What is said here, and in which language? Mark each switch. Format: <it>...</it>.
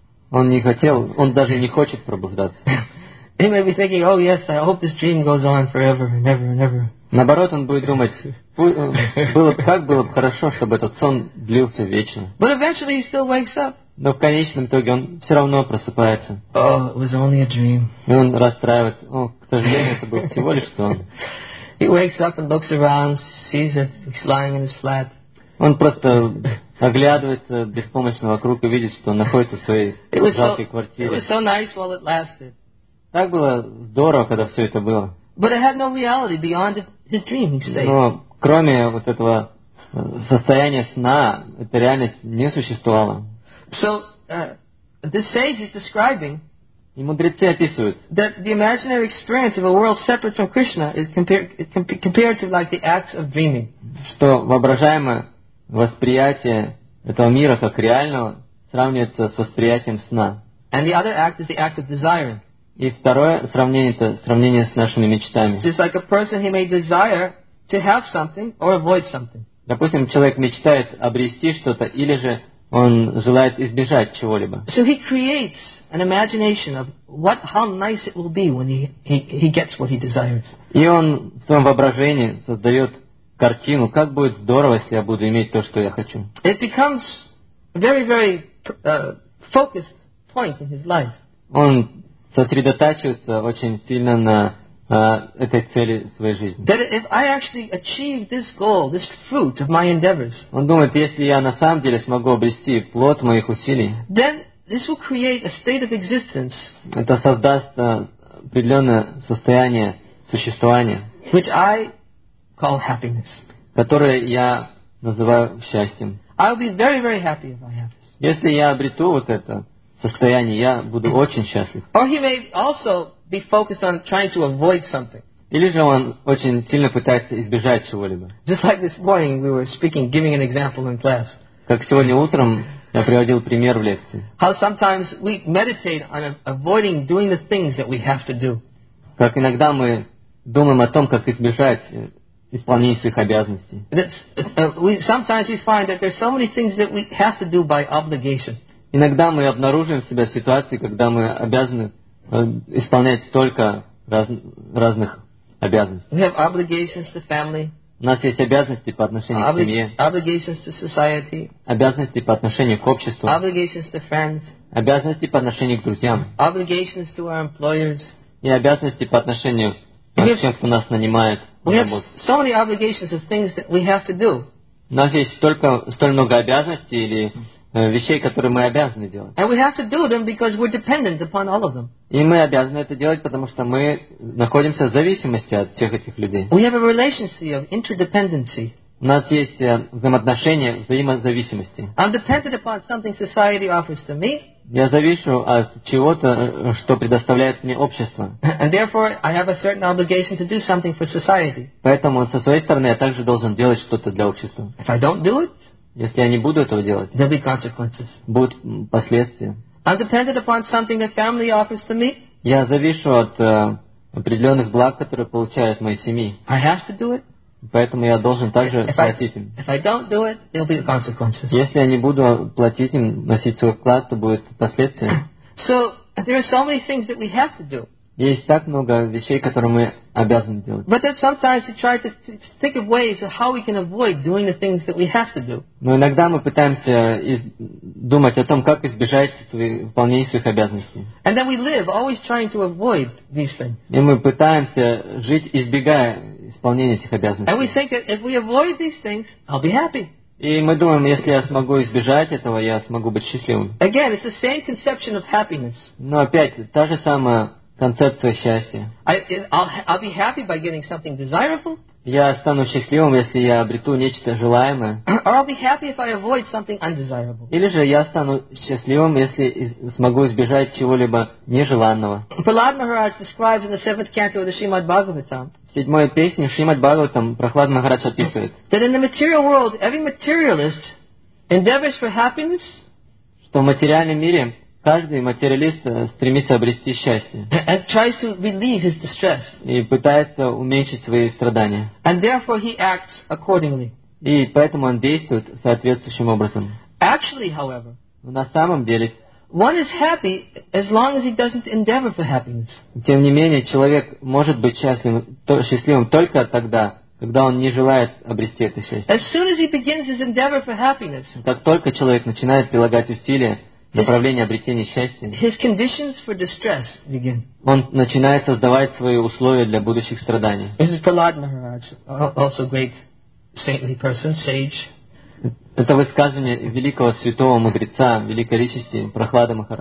<ru>Он не хотел, он даже не хочет пробуждаться.</ru> <en>He may be thinking, oh yes, I hope this dream goes on forever and ever and ever.</en> <ru>Наоборот, он будет думать, было бы, как было бы хорошо, чтобы этот сон длился вечно.</ru> <en>But eventually he still wakes up.</en> <ru>Но в конечном итоге он все равно просыпается.</ru> <en>Oh, it was only a dream.</en> <ru>И он расстраивается. О, к сожалению, это был всего лишь сон.</ru> <en>He wakes up and looks around, sees that he's lying in his flat.</en> <ru>Он просто оглядывается беспомощно вокруг и видит, что он находится в своей жалкой квартире.</ru> <en>It was so nice while it lasted.</en> <ru>Так было здорово, когда все это было.</ru> <en>But it had no reality beyond his dream state.</en> <ru>Но кроме вот этого состояния сна, эта реальность не существовала.</ru> <en>So, this sage is describing.</en> <ru>И мудрецы описывают.</ru> <en>That the imaginary experience of a world separate from Krishna is compared to like the acts of dreaming.</en> <ru>Что воображаемое восприятие этого мира как реального сравнивается с восприятием сна.</ru> <en>And the other act is the act of desiring.</en> <ru>И второе сравнение — это сравнение с нашими мечтами.</ru> <en>It's like a person, he may desire to have something or avoid something.</en> <ru>Допустим, человек мечтает обрести что-то, или же он желает избежать чего-либо.</ru> <en>So he creates an imagination of what, how nice it will be when he gets what he desires.</en> <ru>И он в своем воображении создает картину, как будет здорово, если я буду иметь то, что я хочу.</ru> <en>It becomes a very, very focused point in his life.</en> <ru>Он сосредотачивается очень сильно на этой цели своей жизни.</ru> <en>That if I actually achieve this goal, this fruit of my endeavors,</en> <ru>он думает, если я на самом деле смогу обрести плод моих усилий,</ru> <en>then this will create a state of existence.</en> <ru>Это создаст определенное состояние существования,</ru> <en>which I call happiness.</en> <ru>Которое я называю счастьем.</ru> <en>I'll be very, very happy if I have this.</en> <ru>Если я обрету вот это состояние, я буду очень счастлив.</ru> <en>Or he may also be focused on trying to avoid something.</en> <ru>Или же он очень сильно пытается избежать чего-либо.</ru> <en>Just like this morning we were speaking, giving an example in class.</en> <ru>Как сегодня утром я приводил пример в лекции.</ru> <en>How sometimes we meditate on avoiding doing the things that we have to do.</en> <ru>Как иногда мы думаем о том, как избежать исполнения своих обязанностей.</ru> <en>Sometimes we find that there's so many things that we have to do by obligation.</en> <ru>Иногда мы обнаруживаем себя в ситуации, когда мы обязаны исполнять столько разных обязанностей.</ru> <en>We have obligations to family.</en> <ru>У нас есть обязанности по отношению к семье.</ru> <en>Obligations to society.</en> <ru>Обязанности по отношению к обществу.</ru> <en>Obligations to friends.</en> <ru>Обязанности по отношению к друзьям.</ru> <en>Obligations to our employers.</en> <ru>И обязанности по отношению к тем, кто нас нанимает.</ru> <en>We have so many obligations of things that we have to do.</en> <ru>У нас есть столь много обязанностей или вещей, которые мы обязаны делать.</ru> <en>And we have to do them because we're dependent upon all of them.</en> <ru>И мы обязаны это делать, потому что мы находимся в зависимости от всех этих людей.</ru> <en>We have a relationship of interdependency.</en> <ru>У нас есть взаимоотношения взаимозависимости.</ru> <en>I'm dependent upon something society offers to me.</en> <ru>Я завишу от чего-то, что предоставляет мне общество.</ru> <en>And therefore, I have a certain obligation to do something for society.</en> <ru>Поэтому со своей стороны я также должен делать что-то для общества.</ru> <en>If I don't do it,</en> <ru>если я не буду этого делать,</ru> <en>there'll be consequences.</en> <ru>Будут последствия.</ru> <en>I'm dependent upon something that family offers to me.</en> <ru>Я завишу от определенных благ, которые получают мои семьи.</ru> <en>I have to do it.</en> <ru>Поэтому я должен также платить им.</ru> <en>If I don't do it, there'll be consequences.</en> <ru>Если я не буду платить им, носить свой вклад, то будут последствия.</ru> <en>So, there are so many things that we have to do.</en> <ru>Есть так много вещей, которые мы обязаны делать.</ru> <en>But then sometimes we try to think of ways of how we can avoid doing the things that we have to do.</en> <ru>Но иногда мы пытаемся думать о том, как избежать выполнения своих обязанностей.</ru> <en>And then we live always trying to avoid these things.</en> <ru>И мы пытаемся жить, избегая исполнения этих обязанностей.</ru> <en>And we think that if we avoid these things, I'll be happy.</en> <ru>И мы думаем, если я смогу избежать этого, я смогу быть счастливым.</ru> <en>Again, it's the same conception of happiness.</en> <ru>Но опять та же самая концепция счастья.</ru> <en>I'll be happy by getting something desirable.</en> <ru>Я стану счастливым, если я обрету нечто желаемое.</ru> <en>Or I'll be happy if I avoid something undesirable.</en> <ru>Или же я стану счастливым, если смогу избежать чего-либо нежеланного.</ru> <en>Prahlad Maharaj describes in the seventh canto of the Srimad Bhagavatam.</en> <ru>В седьмой песне Шримад Бхагаватам Прохлад Махарадж описывает.</ru> <en>That in the material world, every materialist endeavors for happiness.</en> <ru>Что в материальном мире каждый материалист стремится обрести счастье.</ru> <en>And tries to relieve his distress.</en> <ru>И пытается уменьшить свои страдания.</ru> <en>And therefore he acts accordingly.</en> <ru>И поэтому он действует соответствующим образом.</ru> <en>Actually, however,</en> <ru>на самом деле,</ru> <en>one is happy as long as he doesn't endeavor for happiness.</en> <ru>Тем не менее, человек может быть счастливым только тогда, когда он не желает обрести это счастье.</ru> <en>As soon as he begins his endeavor for happiness,</en> <ru>как только человек начинает прилагать усилия в направлении обретения счастья,</ru> <en>his conditions for distress begin.</en> <ru>Он начинает создавать свои условия для будущих страданий.</ru> <en>This is Prahlad Maharaj, also great saintly person, sage.</en> <ru>Это высказывание великого святого мудреца, великой личности Прахлады</ru>